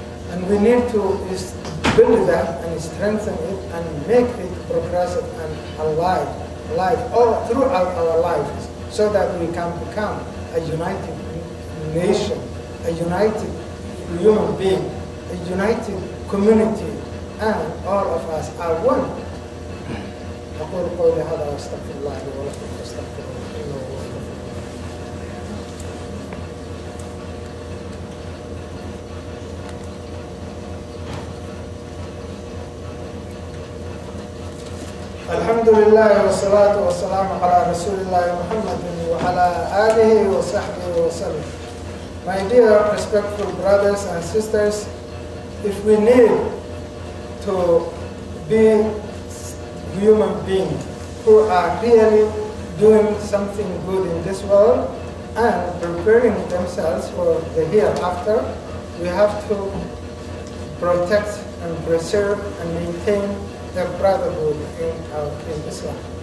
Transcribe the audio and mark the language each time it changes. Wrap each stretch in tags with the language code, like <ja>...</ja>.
<en>And we need to build that and strengthen it and make it progressive and alive all throughout our lives, so that we can become a united nation, a united human being, a united community, and all of us are one.</en> <ar>أقول قولي هذا واستغفر الله لي ولكم واستغفر الله لي ولكم. الحمد الحمد لله والصلاة والسلام على رسول الله محمد وعلى آله وصحبه وسلم.</ar> <en>My dear respectful brothers and sisters, if we need to be human beings who are really doing something good in this world and preparing themselves for the hereafter, we have to protect and preserve and maintain the brotherhood in Islam.</en>